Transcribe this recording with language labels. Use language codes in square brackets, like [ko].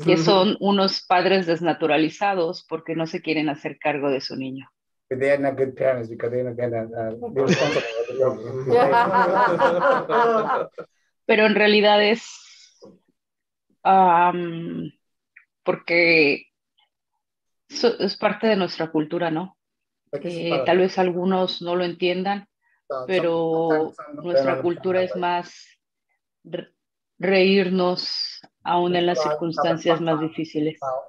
[es] Que son unos padres desnaturalizados porque no se quieren hacer cargo de su niño. [en] But they are not good parents because they're not gonna be responsible. [es] Pero en realidad es porque es parte de nuestra cultura, ¿no? Tal vez algunos no lo entiendan, pero nuestra cultura es más reírnos aún en las circunstancias más difíciles.